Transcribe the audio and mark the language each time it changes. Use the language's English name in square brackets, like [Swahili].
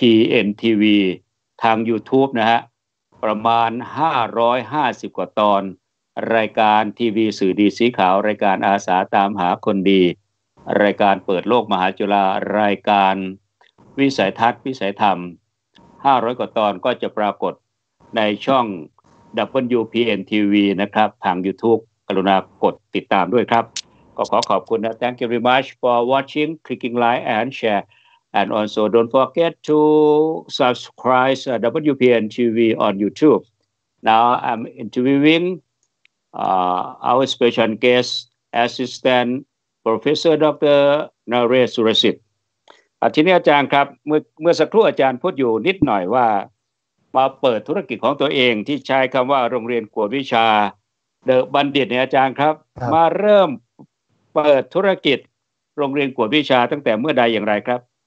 [Thai] TNTV ทาง YouTube นะฮะประมาณ550กว่าตอนรายการทีวีสื่อดีสีขาวรายการอาสาตามหาคนดีรายการเปิดโลกมหาจุฬารายการวิสัยทัศน์วิสัยธรรม500กว่าตอนก็จะปรากฏในช่อง [English] WPN TV [Thai] นะครับทาง YouTube กรุณากดติดตามด้วยครับก็ขอขอบคุณนะ [English] Thank you very much for watching clicking like and shareAnd also, don't forget to subscribe to WPN TV on YouTube. Now, I'm interviewing our special guest, Assistant Professor Dr. Naresh Surasit. [Thai] ทีนี้อาจารย์ครับเมื่อสักครู่อาจารย์พูดอยู่นิดหน่อยว่ามาเปิดธุรกิจของตัวเองที่ใช้คำว่าโรงเรียนกวดวิชา The Bandit เนี่ยอาจารย์ครับมาเริ่มเปิดธุรกิจโรงเรียนกวดวิชาตั้งแต่เมื่อใดอย่างไรครับ